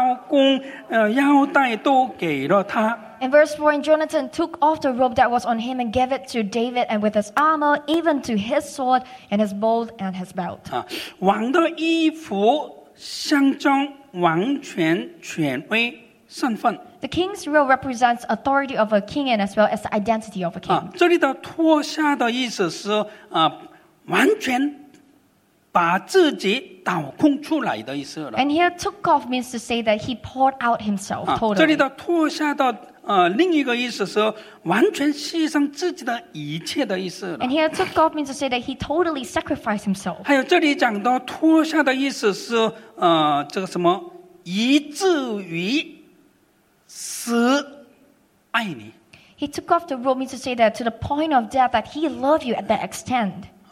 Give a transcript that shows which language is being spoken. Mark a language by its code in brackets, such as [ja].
[zh] 撒母耳记上第18章第4节，请约拿单从身上脱下外袍，给了大卫，又将杖衣刀弓腰带都给了他。 [en] In verse 4, and Jonathan took off the robe that was on him and gave it to David, and with his armor, even to his sword and his bow and his belt. [zh] 王的衣服象征王权权威身份。 [en] The king's robe represents authority of a king and as well as the identity of a king. [zh] 这里的脱下的意思是, 完全把自己倒空出来的意思了。 [en] And here took off means to say that he poured out himself totally. [zh] 这里的脱下的, 另一个意思是, 完全牺牲自己的一切的意思了。 [en] And here took off means to say that he totally sacrificed himself. [zh] 还有这里讲的脱下的意思是, 这个什么,以至于, 死爱你。 [en] He took off the robe to say that to the point of death that he loved you at that extent.